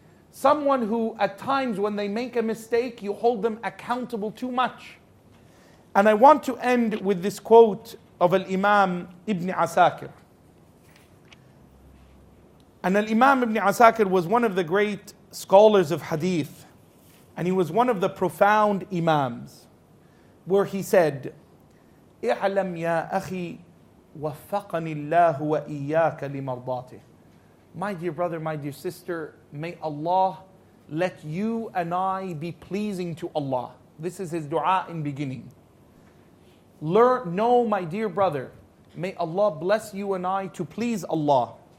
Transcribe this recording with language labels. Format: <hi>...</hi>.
<en>Someone who at times when they make a mistake, you hold them accountable too much. And I want to end with this quote of Al-Imam Ibn Asakir. And Al-Imam Ibn Asakir was one of the great scholars of hadith. And he was one of the profound imams. Where he said,</en> <ar>اعلم يا أخي وفقني الله وإياك لمرضاته.</ar> <en>My dear brother, my dear sister, may Allah let you and I be pleasing to Allah. This is his dua in beginning. Learn, know, my dear brother, may Allah bless you and I to please Allah.</en>